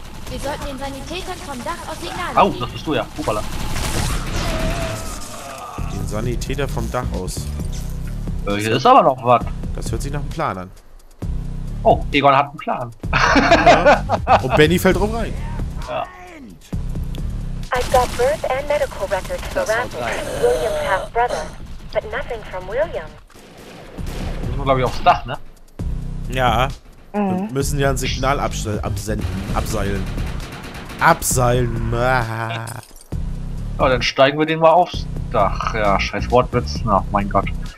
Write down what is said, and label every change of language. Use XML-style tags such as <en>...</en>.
<de>Wir sollten den Sanitätern vom Dach aus Signale geben. Au, das bist du ja. Hupala. Den Sanitäter vom Dach aus. Hier ist aber noch was. Das hört sich nach einem Plan an. Oh, Egon hat einen Plan. Ja. Und Benny fällt drauf rein. Ja.</de> <en>I've got birth and medical records for Randall. William half brother. But nothing from William.</en> <de>Müssen wir, glaube ich, aufs Dach, ne? Ja. Wir müssen ja ein Signal absenden. Abseilen. Ja, dann steigen wir den mal aufs Dach. Ja, scheiß Wortwitz. Na, mein Gott.</de>